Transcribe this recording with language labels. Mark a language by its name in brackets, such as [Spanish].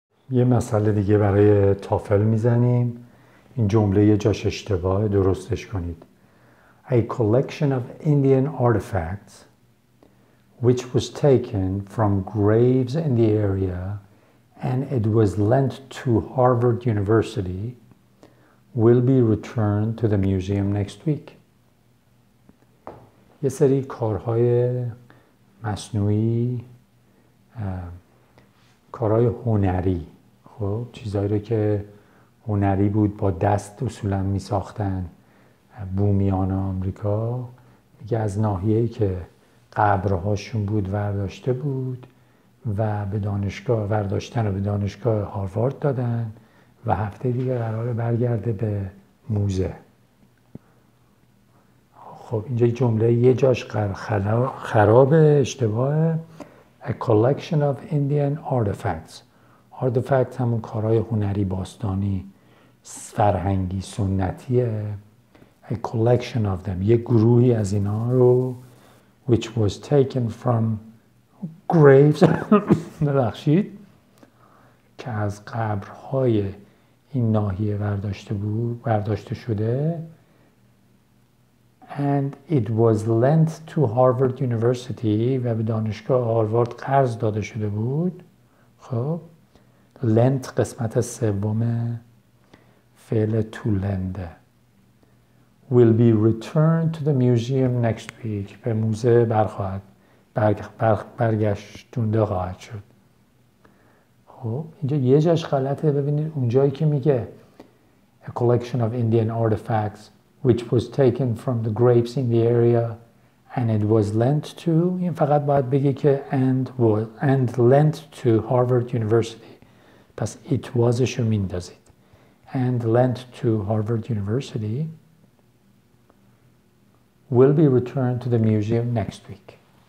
[Persian] یه مسئله دیگه برای تافل میزنیم. این جمله یه جاش اشتباهه، درستش کنید. [English] A collection of Indian artifacts which was taken from graves in the area and it was lent to Harvard University will be returned to the museum next week. [Persian] یه سری کارهای مصنوعی، کارهای هنری، خب چیزایی رو که هنری بود با دست اصولا می ساختن بومیان آمریکا، میگه از ناحیه‌ای که قبرهاشون بود ورداشته بود و به دانشگاه ورداشتن رو به دانشگاه هاروارد دادن و هفته دیگه قرار برگرده به موزه. خب اینجا جمله یه جاش خراب اشتباهه. [English] A collection of Indian artifacts. [Persian] Artifacts همون کارهای هنری باستانی، فرهنگی، سنتیه. [English] A collection of them. [Persian] یه گروهی از اینا رو [English] which was taken from graves [Persian] ببخشید که از قبرهای این ناحیه برداشته بود، برداشته شده. [English] And it was lent to Harvard University [Persian] و به دانشگاه هاروارد قرض داده شده بود. [English] خب lent [Persian] قسمت سوم فعل [English] to lend will be returned to the museum next week. [Persian] به موزه برخواهد برگشتونده خواهد شد. خب اینجا یه جاش غلطه. ببینید اونجایی که میگه [English] a collection of Indian artifacts which was taken from the graves in the area and it was lent to, [Persian] این فقط باید بگه که [English] and lent to Harvard University. [Persian] پس it wasشو میندازید. [English] And lent to Harvard University will be returned to the museum next week.